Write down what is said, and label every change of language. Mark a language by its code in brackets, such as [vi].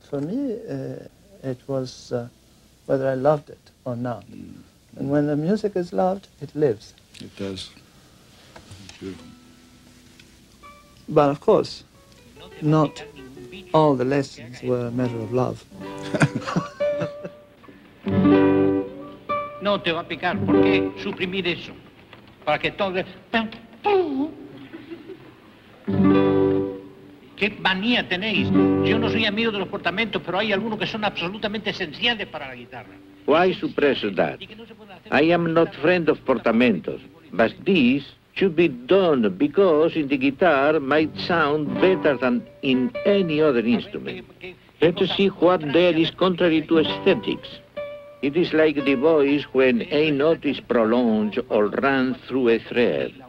[en] For me, it was whether I loved it or not. Mm-hmm. And when the music is loved, it lives. It does. But of course, not all the lessons were a matter of love. [es] No te va a picar, ¿por qué suprimir eso? Para que todo... ¿Qué manía tenéis? Yo no soy amigo de los portamentos, pero hay algunos que son absolutamente esenciales para la guitarra. [en] Why suppress that? I am not friend of portamentos, but this should be done because in the guitar might sound better than in any other instrument. Let's see what there is contrary to aesthetics. It is like the voice when a note is prolonged or run through a thread.